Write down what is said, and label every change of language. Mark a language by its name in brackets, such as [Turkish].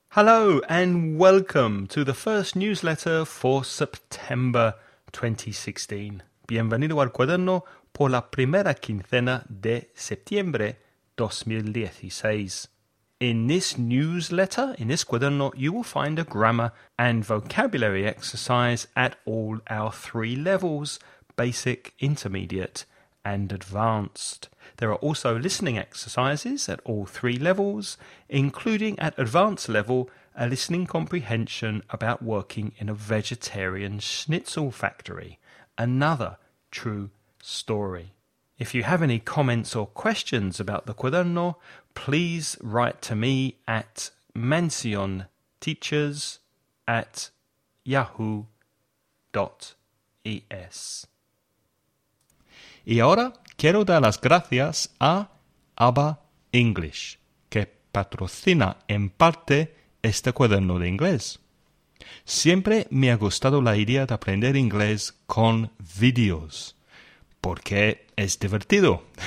[English] Hello and welcome to the first newsletter for September 2016. [Spanish] Bienvenido al cuaderno por la primera quincena de septiembre 2016. [English] In this newsletter, in this cuaderno, you will find a grammar and vocabulary exercise at all our three levels, basic, intermediate, and advanced. There are also listening exercises at all three levels, including at advanced level, a listening comprehension about working in a vegetarian schnitzel factory. Another true story. If you have any comments or questions about the cuaderno, please write to me at mansionteachers@yahoo.es. [Spanish] Y ahora quiero dar las gracias a ABBA English, que patrocina en parte este cuaderno de inglés. Siempre me ha gustado la idea de aprender inglés con vídeos, porque es divertido.